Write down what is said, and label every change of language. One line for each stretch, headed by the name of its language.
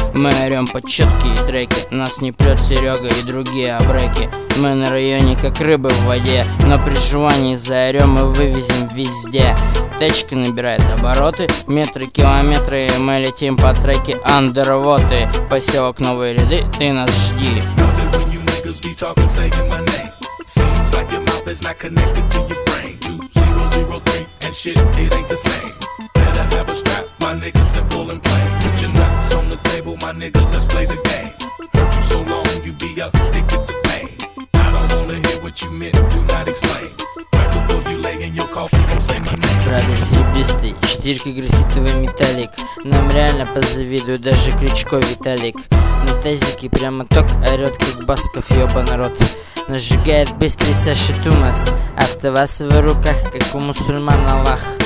Russian: Мы орем под четкие треки, нас не прет Серега и другие абреки. Мы на районе как рыбы в воде, но при желании заорем и вывезем везде. Тачка набирает обороты, метры, километры, и мы летим по треке Underwater. Поселок Новые Ряды, ты нас жди.
English: Be talking, saying my name. Seems like your mouth is not connected to your brain. 2003 and shit, it ain't the same. Better have a strap, my nigga, simple and plain. Put your nuts on the table, my nigga, let's play the game. Hurt you so long, you be addicted to pain. I don't wanna hear what you meant, do not explain.
Russian: Прада серебристый, четырка граффитовый металлик. Нам реально позавидуют даже Кличко Виталик. На тазике прямо ток орёт, как Басков, ёба народ. Нас сжигает быстрый Саши Тумас. Автоваз в руках, как у мусульман Аллах.